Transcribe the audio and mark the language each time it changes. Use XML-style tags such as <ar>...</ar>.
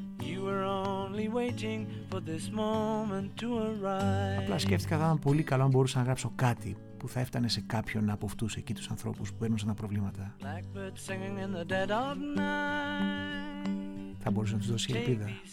<en>You were only waiting for this moment to arrive.</en> <el>Απλά σκέφτηκα θα ήταν πολύ καλό αν μπορούσα να γράψω κάτι που θα έφτανε σε κάποιον από αυτούς εκεί τους ανθρώπους που παίρνουν σαν τα προβλήματα.</el> <en>Blackbird singing in the dead of night.</en> <el>Θα μπορούσε να τους δώσει ελπίδα.</el>